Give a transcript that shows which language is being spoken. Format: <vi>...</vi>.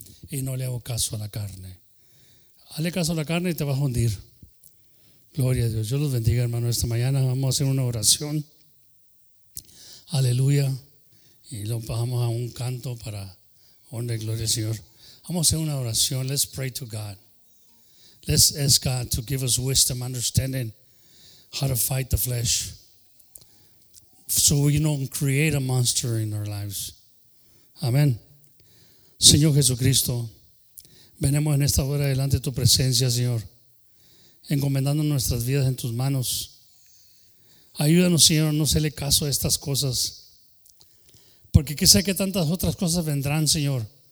<es>Y no le hago caso a la carne. Hazle caso a la carne y te vas a hundir. Gloria a Dios. Yo los bendiga, hermano, esta mañana. Vamos a hacer una oración. Aleluya. Y lo bajamos a un canto para honra y gloria al Señor. Vamos a hacer una oración.</es> <en>Let's pray to God. Let's ask God to give us wisdom, understanding how to fight the flesh. So we don't create a monster in our lives. Amen.</en> <es>Señor Jesucristo, venimos en esta hora delante de tu presencia, Señor, encomendando nuestras vidas en tus manos. Ayúdanos, Señor, a no hacerle caso a estas cosas, porque qué sé que tantas otras cosas vendrán, Señor.</es>